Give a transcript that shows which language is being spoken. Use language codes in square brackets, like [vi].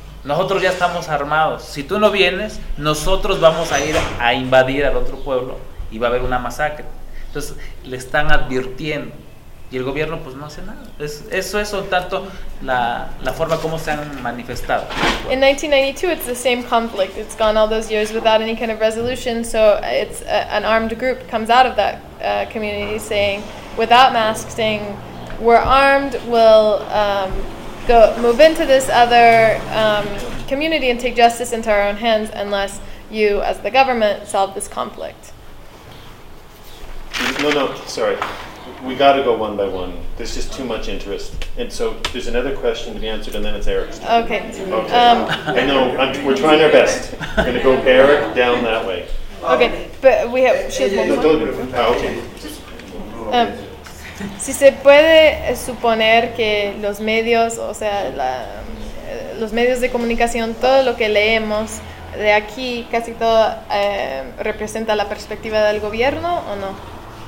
[es] Nosotros ya estamos armados. Si tú no vienes, nosotros vamos a ir a invadir al otro pueblo y va a haber una masacre. Entonces, le están advirtiendo. Y el gobierno pues no hace nada. Eso es un tanto la forma como se han manifestado. [en] In 1992, it's the same conflict. It's gone all those years without any kind of resolution. So it's an armed group comes out of that community saying, without masks, saying, we're armed, we'll go move into this other community and take justice into our own hands unless you, as the government, solve this conflict. No, sorry. We got to go one by one. There's just too much interest. And so there's another question to be answered, and then it's Eric's turn. Okay. I know. We're trying our best. We're going to go Eric down that way. Okay. But we have... She has one. Okay. [es] Si se puede suponer que los medios, o sea, los medios de comunicación, todo lo que leemos de aquí, casi todo representa la perspectiva del gobierno, ¿o no?